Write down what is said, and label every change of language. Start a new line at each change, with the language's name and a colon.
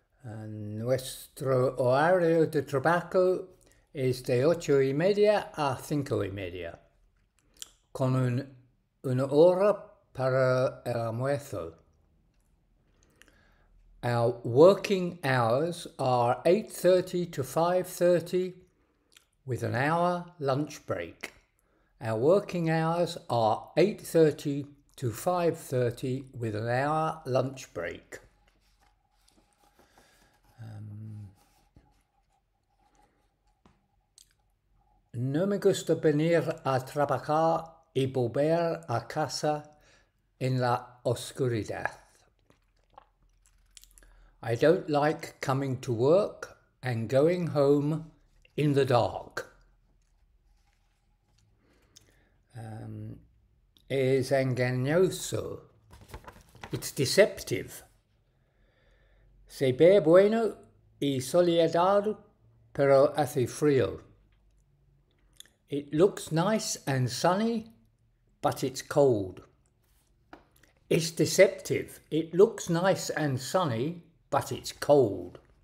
Spanish: Nuestro horario de trabajo es de 8:30 a 5:30, con una hora para el almuerzo.
English: Our working hours are 8:30 to 5:30, with an hour lunch break. Our working hours are 8:30 to 5:30 with an hour lunch break.
Spanish: No me gusta venir a trabajar y volver a casa en la oscuridad.
English: I don't like coming to work and going home in the dark.
Spanish: Es engañoso.
English: It's deceptive.
Spanish: Se ve bueno y soleado, pero hace frío.
English: It looks nice and sunny, but it's cold. It's deceptive. It looks nice and sunny, but it's cold.